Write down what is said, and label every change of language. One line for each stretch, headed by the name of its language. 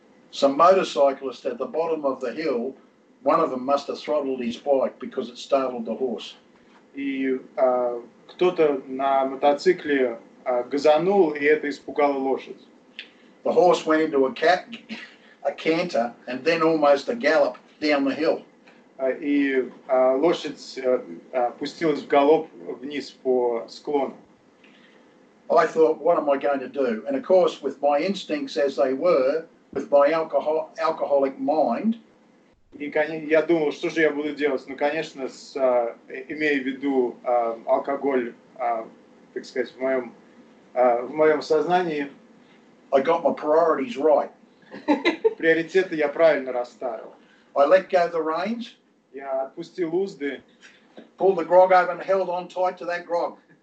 English: Some motorcyclists at the bottom of the hill, one of them must have throttled his bike because it startled the horse.
Russian: И кто-то на мотоцикле газанул, и это испугало лошадь.
English: The horse went into a canter and then almost a gallop down the hill.
Russian: И лошадь пустилась в галоп вниз по склону.
English: I thought, what am I going to do? And of course, with my instincts as they were, with my alcoholic mind.
Russian: И я думал, что же я буду делать? Ну, конечно, имея в виду алкоголь, так сказать, в моем сознании.
English: I got my priorities right.
Russian: Приоритеты я правильно расставил.
English: I let go of the reins.
Russian: Я отпустил узды.
English: Pulled the grog over and held on tight to that grog.